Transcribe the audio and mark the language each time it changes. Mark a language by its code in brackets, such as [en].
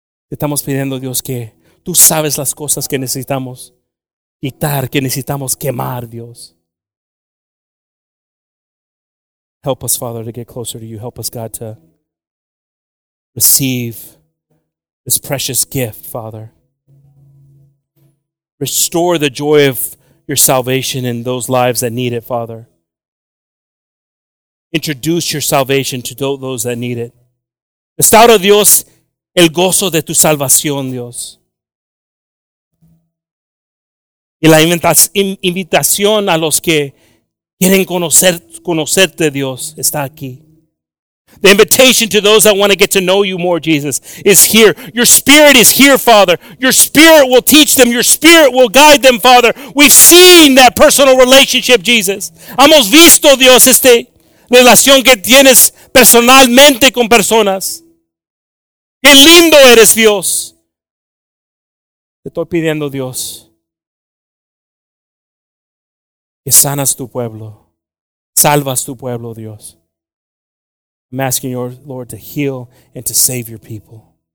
[es] Estamos pidiendo, Dios, que tú sabes las cosas que necesitamos quitar, que necesitamos quemar, Dios. [en] Help us, Father, to get closer to you. Help us, God, to receive this precious gift, Father. Restore the joy of your salvation in those lives that need it, Father. Introduce your salvation to those that need it. [es] Restaura, Dios, el gozo de tu salvación, Dios. Y la invitación a los que quieren conocerte, Dios, está aquí. [en] The invitation to those that want to get to know you more, Jesus, is here. Your spirit is here, Father. Your spirit will teach them. Your spirit will guide them, Father. We've seen that personal relationship, Jesus. [es] Hemos visto, Dios, esta relación que tienes personalmente con personas. Qué lindo eres, Dios. Te estoy pidiendo, Dios, que sanas tu pueblo. Salvas tu pueblo, Dios. [en] I'm asking your Lord to heal and to save your people.